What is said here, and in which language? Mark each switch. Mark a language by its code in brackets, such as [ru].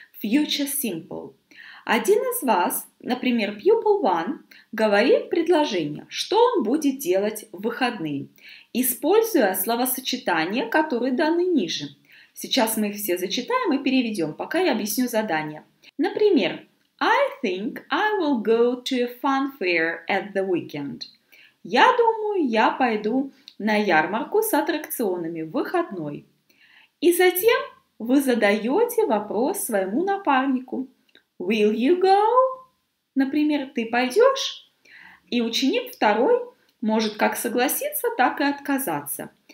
[en] Future simple. [ru] Один из вас, например, [en] pupil one, [ru] говорит предложение, что он будет делать в выходные, используя словосочетания, которые даны ниже. Сейчас мы их все зачитаем и переведем, пока я объясню задание. Например, [en] I think I will go to a fun fair at the weekend. [ru] Я думаю, я пойду на ярмарку с аттракционами в выходной. И затем вы задаете вопрос своему напарнику. [en] Will you go? [ru] Например, ты пойдешь? И ученик второй может как согласиться, так и отказаться.